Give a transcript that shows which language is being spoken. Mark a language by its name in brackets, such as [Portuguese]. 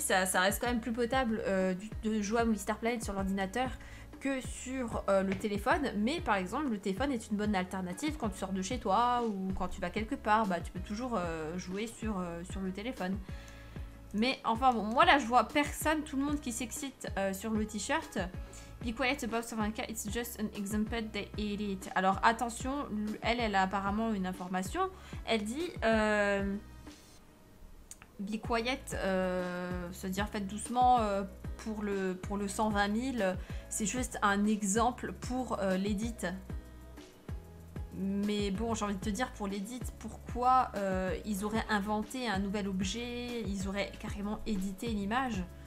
[French] Ça reste quand même plus potable de jouer à Movistar Planet sur l'ordinateur que sur le téléphone. Mais par exemple, le téléphone est une bonne alternative quand tu sors de chez toi ou quand tu vas quelque part. Bah, tu peux toujours jouer sur le téléphone. Mais enfin, bon, moi, là, je vois personne, tout le monde qui s'excite sur le t-shirt. [English] Be quiet about 120k, it's just an example they hate it. [French] Alors attention, elle a apparemment une information. Elle dit [English] be quiet, [French] c'est-à-dire faites doucement pour le 120 000. C'est juste un exemple pour l'edit. Mais bon, j'ai envie de te dire pour l'edit, pourquoi ils auraient inventé un nouvel objet, ils auraient carrément édité l'image.